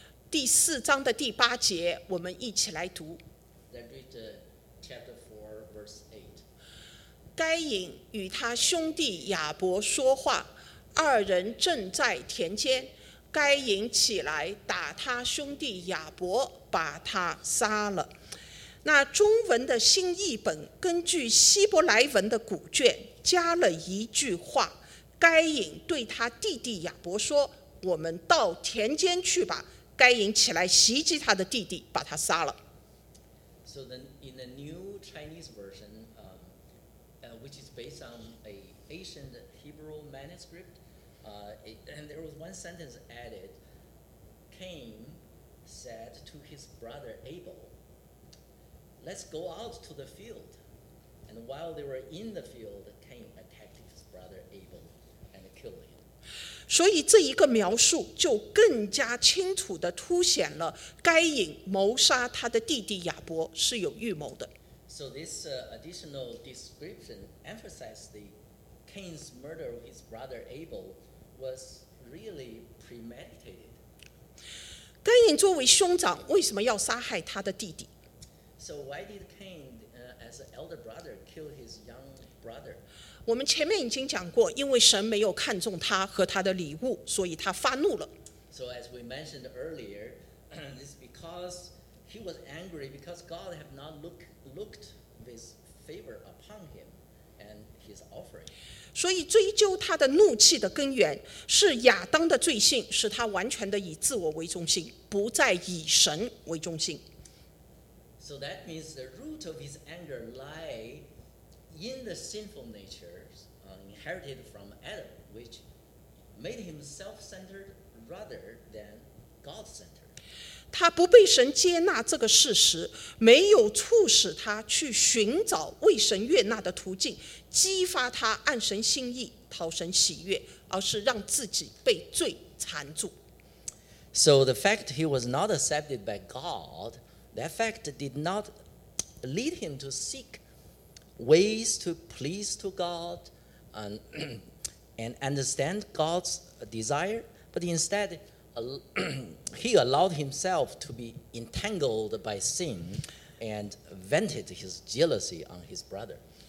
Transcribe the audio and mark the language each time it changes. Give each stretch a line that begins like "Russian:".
Chinese: 第四章的第八节，我们一起来读。
English: Let's read chapter 4, verse 8.
Chinese: 该隐与他兄弟亚伯说话，二人正在田间，该隐起来打他兄弟亚伯，把他杀了。那中文的新译本根据希伯来文的古卷加了一句话，该隐对他弟弟亚伯说，我们到田间去吧。该隐起来袭击他的弟弟，把他杀了。
English: So then in the new Chinese version, which is based on an ancient Hebrew manuscript, and there was one sentence added, Cain said to his brother Abel,Let's go out to the field. And while they were in the field, Cain attacked his brother Abel and killed him.
Chinese: 所以这一个描述就更加清楚地凸显了该隐谋杀他的弟弟亚伯是有预谋的。
English: So this additional description emphasized that Cain's murder of his brother Abel was really premeditated.
Chinese: 该隐作为兄长，为什么要杀害他的弟弟？
English: So why did Cain, as an elder brother, kill his young brother?
Chinese: 我们前面已经讲过，因为神没有看中他和他的礼物，所以他发怒了。
English: So as we mentioned earlier, it's because he was angry because God had not looked with favor upon him and his offering.
Chinese: 所以追究他的怒气的根源是亚当的罪性，使他完全的以自我为中心，不再以神为中心。
English: So that means the root of his anger lie in the sinful nature inherited from Adam, which made him self-centered rather than God-centered.
Chinese: 他不被神接纳这个事实，没有促使他去寻找为神悦纳的途径，激发他按神心意讨神喜悦，而是让自己被罪缠住。
English: So the fact he was not accepted by God,That fact did not lead him to seek ways to please to God and understand God's desire, but instead he allowed himself to be entangled by sin and vented his jealousy on his brother.